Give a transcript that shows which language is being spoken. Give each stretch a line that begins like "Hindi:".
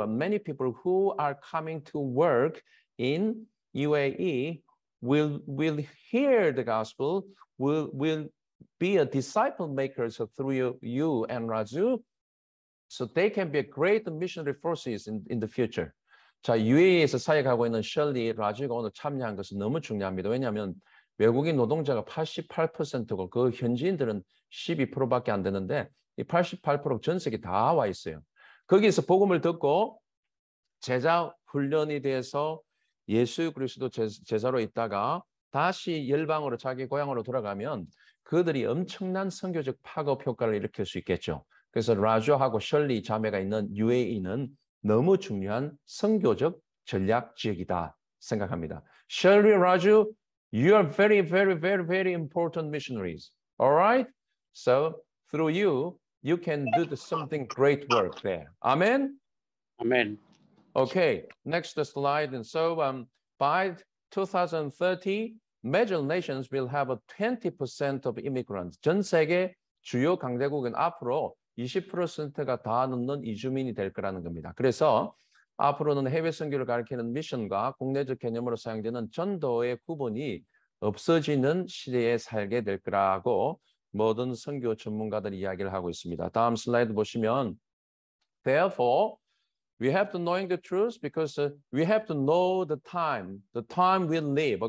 English: And many people who are coming to work in UAE will hear the gospel, will be a disciple makers through you and Raju. So they can be a great missionary forces in the future.
Korean: 자, UAE에서 사역하고 있는 셜리 라지가 오늘 참여한 것은 너무 중요합니다. 왜냐하면 외국인 노동자가 88%고 그 현지인들은 12%밖에 안 되는데 이 88% 전 세계 다 와 있어요. 거기에서 복음을 듣고 제자 훈련이 돼서 예수 그리스도 제자로 있다가 다시 열방으로 자기 고향으로 돌아가면 그들이 엄청난 선교적 파급 효과를 일으킬 수 있겠죠. 그래서 라조하고 셜리 자매가 있는 UAE는 너무 중요한 선교적 전략 지역이다 생각합니다.
English: 셜리, 라조, you are very, very, very, very important missionaries. All right? So through you, you can do something great work there. Amen? Amen. Okay, next slide. And so by 2030, major nations will have a 20% of immigrants.
Korean: 전 세계 주요 강대국은 앞으로 20%가 다 넘는 이주민이 될 거라는 겁니다. 그래서 앞으로는 해외 선교를 가르치는 미션과 국내적 개념으로 사용되는 전도의 구분이 없어지는 시대에 살게 될 거라고 모든 선교 전문가들이 이야기를 하고 있습니다. 다음 슬라이드 보시면
English: Therefore, we have to knowing the truth because we have to know the time we live.